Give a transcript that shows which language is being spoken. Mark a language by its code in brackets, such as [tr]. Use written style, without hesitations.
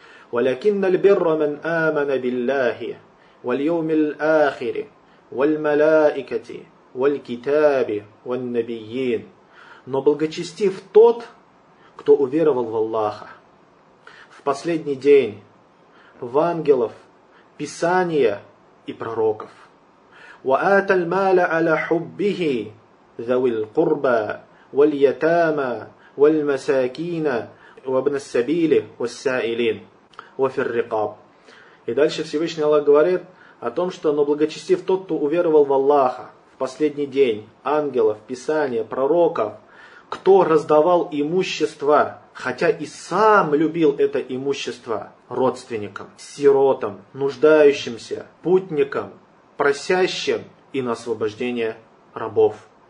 [ar] وَلَكِنَّ الْبِرَّ مَنْ آمَنَ بِاللَّهِ وَالْيَوْمِ الْآخِرِ وَالْمَلَائِكَةِ وَالْكِتَابِ وَالنَّبِيِّينَ. [ru] Но благочестив тот, кто уверовал в Аллаха, в последний день, в ангелов, писания и пророков. [ar] وآت المال على حبه ذوي القربى واليتامى والمساكين وابن السبيل والسائلين وفي الرقاب. [ru] И дальше Всевышний Аллах говорит о том, что но благочестив тот, кто уверовал в Аллаха в последний день, ангелов, писания, пророков, кто раздавал имущество, хотя и сам любил это имущество родственникам, сиротам, нуждающимся, путникам, просящим и на освобождение рабов.